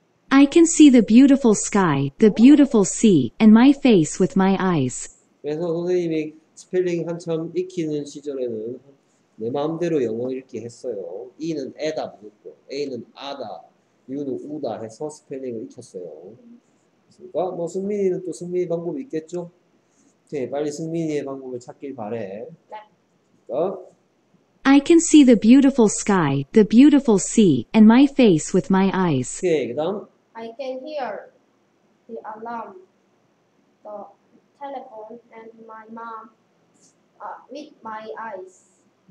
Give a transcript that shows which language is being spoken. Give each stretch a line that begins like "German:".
English: I can see the beautiful sky, the beautiful sea, and my face with my eyes.
Korean: 그래서 선생님이 스펠링 한참 익히는 시절에는 내 마음대로 영어 읽기 했어요. E는 에다 부르고, A는 아다, U는 우다 해서 스펠링을 익혔어요. 그러니까 뭐 승민이는 또 승민이 방법이 있겠죠? 네, 빨리 승민이의 방법을 찾길 바래. 그러니까
English: I can see the beautiful sky, the beautiful sea, and my face with my eyes.
Korean: 오케이, 그다음.
English: I can hear the alarm, the telephone, and my mom with my eyes.